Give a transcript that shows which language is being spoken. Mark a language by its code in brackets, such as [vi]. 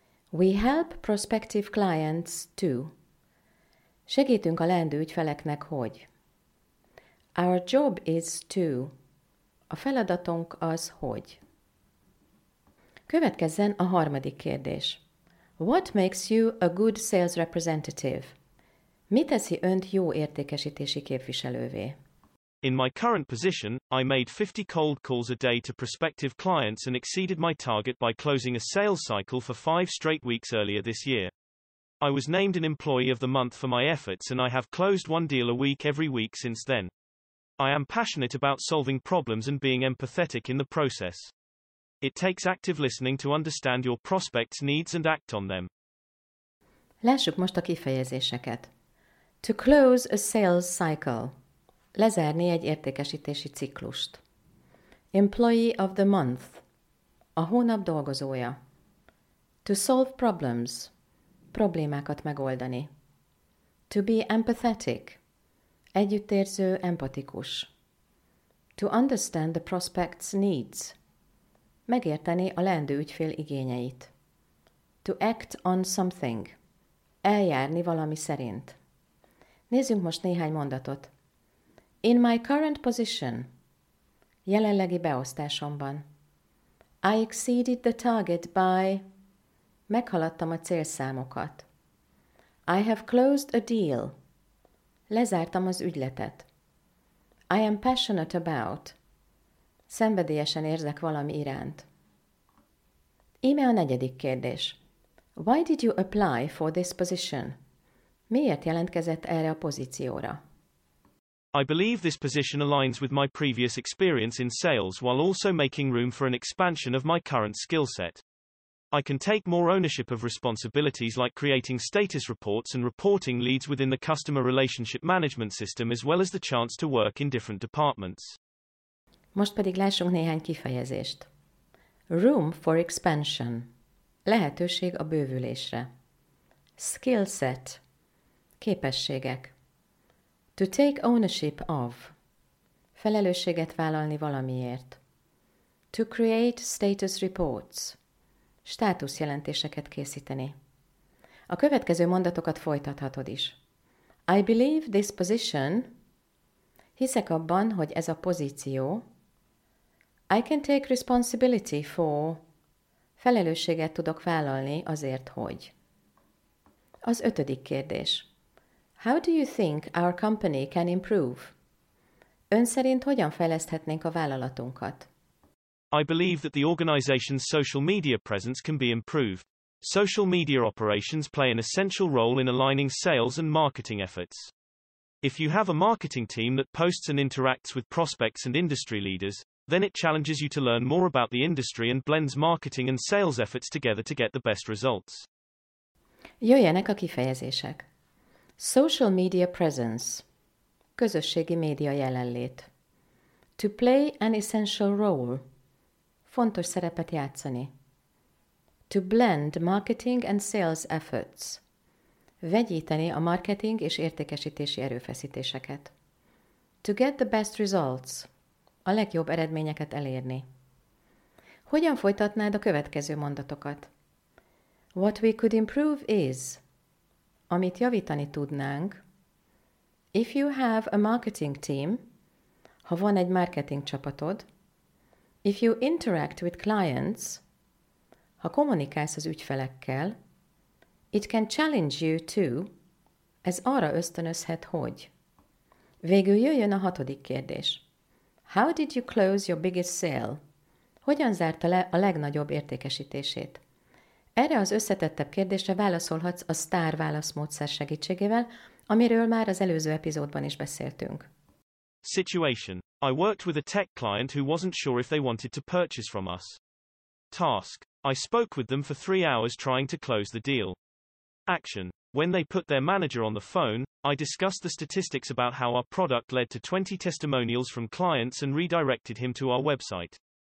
[en] We help prospective clients to. [hu] Segítünk a leendő ügyfeleknek, hogy. [en] Our job is to. [hu] A feladatunk az, hogy. Következzen a harmadik kérdés. [en] What makes you a good sales representative? [hu] Mi teszi önt jó értékesítési képviselővé? [en] In my current position, I made 50 cold calls a day to prospective clients and exceeded my target by closing a sales cycle for 5 straight weeks earlier this year. I was named an employee of the month for my efforts and I have closed one deal a week every week since then. I am passionate about solving problems and being empathetic in the process. It takes active listening to understand your prospects' needs and act on them. [hu] Lássuk most a kifejezéseket. [en] To close a sales cycle. [hu] Lezárni egy értékesítési ciklust. [en] Employee of the month. [hu] A hónap dolgozója. [en] To solve problems. [hu] Problémákat megoldani. [en] To be empathetic. [hu] Együttérző, empatikus. [en] To understand the prospect's needs. [hu] Megérteni a leendő ügyfél igényeit. [en] To act on something. [hu] Eljárni valami szerint. Nézzünk most néhány mondatot. [en] In my current position. [hu] Jelenlegi beosztásomban. [en] I exceeded the target by. [hu] Meghaladtam a célszámokat. [en] I have closed a deal. [hu] Lezártam az ügyletet. [en] I am passionate about. [hu] Szenvedélyesen érzek valami iránt. Íme a negyedik kérdés. [en] Why did you apply for this position? [hu] Miért jelentkezett erre a pozícióra? [en] I believe this position aligns with my previous experience in sales while also making room for an expansion of my current skill set. I can take more ownership of responsibilities like creating status reports and reporting leads within the customer relationship management system as well as the chance to work in different departments. [hu] Most pedig lássunk néhány kifejezést. [en] Room for expansion. [hu] Lehetőség a bővülésre. [en] Skill set. [hu] Képességek. [en] To take ownership of. [hu] Felelősséget vállalni valamiért. [en] To create status reports. [hu] Státuszjelentéseket készíteni. A következő mondatokat folytathatod is. [en] I believe this position. [hu] Hiszek abban, hogy ez a pozíció. [en] I can take responsibility for. [hu] Felelősséget tudok vállalni azért, hogy. Az ötödik kérdés. [en] How do you think our company can improve? [hu] Ön szerint hogyan fejleszthetnénk a vállalatunkat? [en] I believe that the organization's social media presence can be improved. Social media operations play an essential role in aligning sales and marketing efforts. If you have a marketing team that posts and interacts with prospects and industry leaders, then it challenges you to learn more about the industry and blends marketing and sales efforts together to get the best results. [hu] Jöjjenek a kifejezések. [en] Social media presence. [hu] Közösségi média jelenlét. [en] To play an essential role. [hu] Fontos szerepet játszani. [en] To blend marketing and sales efforts. [hu] Vegyíteni a marketing és értékesítési erőfeszítéseket. [en] To get the best results. [hu] A legjobb eredményeket elérni. Hogyan folytatnád a következő mondatokat? [en] What we could improve is. [hu] Amit javítani tudnánk. [en] If you have a marketing team. [hu] Ha van egy marketing csapatod. [en] If you interact with clients, [hu] ha kommunikálsz az ügyfelekkel, [en] it can challenge you to, [hu] ez arra ösztönözhet, hogy. Végül jöjjön a hatodik kérdés. [en] How did you close your biggest sale? [hu] Hogyan zárta le a legnagyobb értékesítését? Erre az összetettebb kérdésre válaszolhatsz a STAR válaszmódszer segítségével, amiről már az előző epizódban is beszéltünk. [en] Situation. I worked with a tech client who wasn't sure if they wanted to purchase from us. Task. I spoke with them for 3 hours trying to close the deal. Action. When they put their manager on the phone, I discussed the statistics about how our product led to 20 testimonials from clients and redirected him to our website.